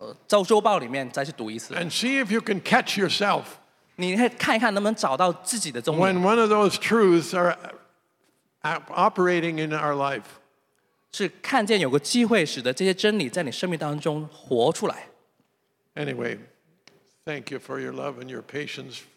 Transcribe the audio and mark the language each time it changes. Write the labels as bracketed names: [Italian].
[Chinese] 或者是在周报里面再去读一次。 [English] And see if you can catch yourself. [Chinese] 你看一看能不能找到自己的踪影。 [English] When one of those truths are operating in our life. [Chinese] 是看见有个机会使得这些真理在你生命当中活出来。 [English] Anyway, thank you for your love and your patience,